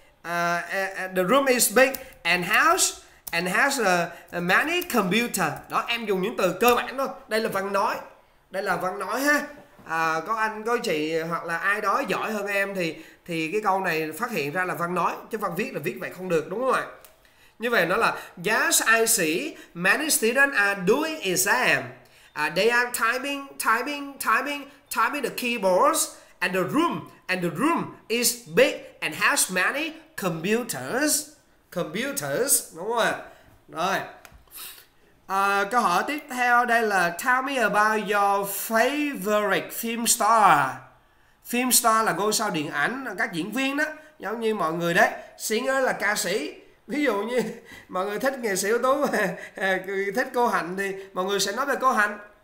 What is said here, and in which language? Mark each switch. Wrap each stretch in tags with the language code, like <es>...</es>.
<en>The room is big and has many computer.</en> <vi>Đó, em dùng những từ cơ bản thôi. Đây là văn nói. Đây là văn nói ha. Có anh, có chị hoặc là ai đó giỏi hơn em thì cái câu này phát hiện ra là văn nói, chứ văn viết là viết vậy không được, đúng không ạ? Như vậy nó là</vi> <en>yes, I see many students are doing exam. They are typing the keyboards and the room is big and has many computers,</en> <vi>đúng không ạ? Rồi. Câu hỏi tiếp theo đây là</vi> <en>tell me about your favorite film star.</en> <vi>Film star là ngôi sao điện ảnh, các diễn viên đó, giống như mọi người đấy. Singer là ca sĩ. Ví dụ như mọi người thích nghệ sĩ ưu tú, thích cô Hạnh thì mọi người sẽ nói về cô Hạnh.</vi>